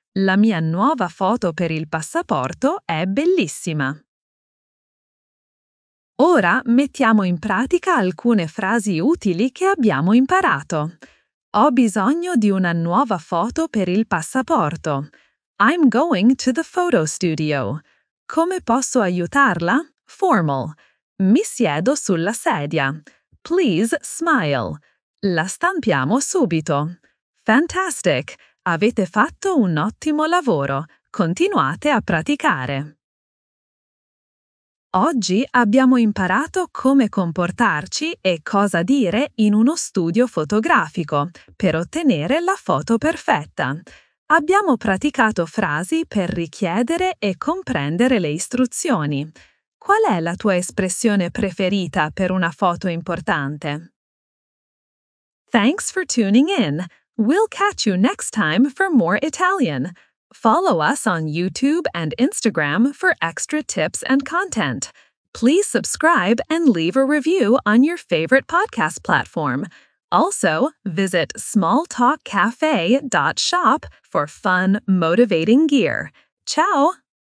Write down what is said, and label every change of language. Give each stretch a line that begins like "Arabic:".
Italian: La mia nuova foto per il passaporto è bellissima. Ora mettiamo in pratica alcune frasi utili che abbiamo imparato. Ho bisogno di una nuova foto per il passaporto.
English: I'm going to the photo studio.
Italian: Come posso aiutarla?
English: Formal.
Italian: Mi siedo sulla sedia.
English: Please smile.
Italian: La stampiamo subito.
English: Fantastic!
Italian: Avete fatto un ottimo lavoro. Continuate a praticare. Oggi abbiamo imparato come comportarci e cosa dire in uno studio fotografico per ottenere la foto perfetta. Abbiamo praticato frasi per richiedere e comprendere le istruzioni. Qual è la tua espressione preferita per una foto importante?
English: Thanks for tuning in. We'll catch you next time for more Italian. Follow us on YouTube and Instagram for extra tips and content. Please subscribe and leave a review on your favorite podcast platform. Also, visit smalltalkcafe.shop for fun, motivating gear. Ciao!